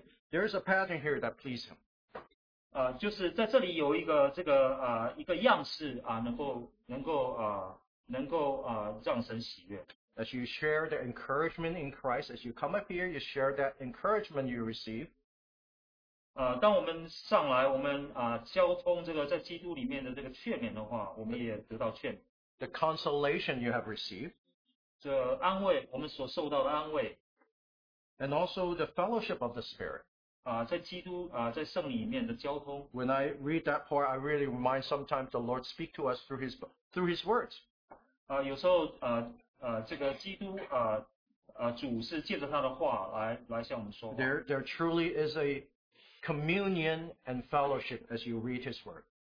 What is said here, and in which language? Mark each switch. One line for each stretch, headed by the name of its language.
English: There is a pattern here that pleases Him.
Chinese: 就是在这里有一个样式能够让神喜悦。
English: As you share the encouragement in Christ, as you come up here, you share that encouragement you receive.
Chinese: 当我们上来，我们交通这个在基督里面的这个劝勉的话，我们也得到劝勉。
English: The consolation you have received.
Chinese: 这安慰，我们所受到的安慰。
English: And also the fellowship of the Spirit.
Chinese: 在基督，在圣里面的交通。
English: When I read that part, I really remind sometimes the Lord speak to us through His words.
Chinese: 有时候，这个基督，主是借着他的话来向我们说话。
English: There truly is a communion and fellowship as you read His word.